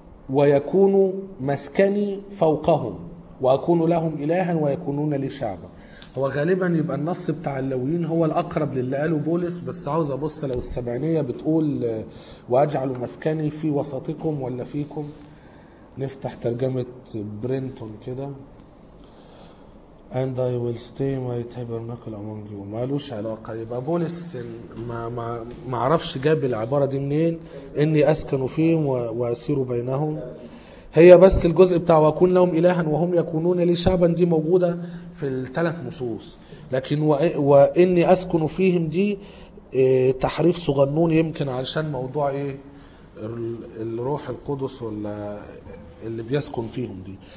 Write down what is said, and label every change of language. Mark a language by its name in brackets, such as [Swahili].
[Arabic] ويكون مسكني فوقهم وأكون لهم إلها ويكونون لي شعبا. هو غالبا يبقى النص بتاع اللاويين هو الأقرب للي قاله بولس، بس عاوز أبص لو السبعينية بتقول وأجعل مسكني في وسطكم ولا فيكم. نفتح ترجمة برينتون كده. [English] And I will stay my tabernacle among you. [Arabic] مالوش علاقة. يبقى بولس ما عرفش جاب العبارة دي منين، إني أسكن فيهم وأسير بينهم. هي بس الجزء بتاع وأكون لهم إلها وهم يكونون لي شعبا دي موجودة في الثلاث نصوص، لكن وإني أسكن فيهم دي تحريف صغنون يمكن علشان موضوع إيه الروح القدس ولا اللي بيسكن فيهم دي.